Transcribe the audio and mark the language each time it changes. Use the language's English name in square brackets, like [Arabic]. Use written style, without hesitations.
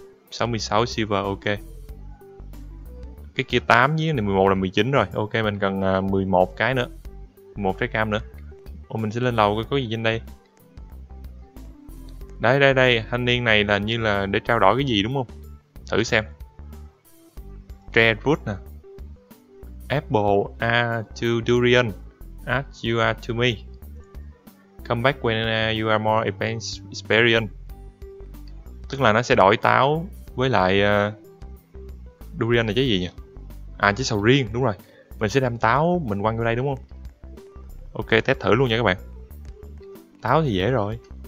[Vietnamese] 66 silver, ok. Cái kia 8 với cái này 11 là 19 rồi. Ok, mình cần 11 cái nữa. 11 trái cam nữa. Ô, mình sẽ lên lầu coi có gì trên đây. Đấy, đây, đây. Thanh niên này là như là để trao đổi cái gì đúng không? Thử xem. Tre fruit nè. [English] Apple are to durian as you are to me. Come back when you are more advanced experience. [Vietnamese] Tức là nó sẽ đổi táo với lại durian là cái gì nhỉ? À, chứ sầu riêng, đúng rồi. Mình sẽ đem táo mình quăng vô đây đúng không? Ok, test thử luôn nha các bạn. Táo thì dễ rồi.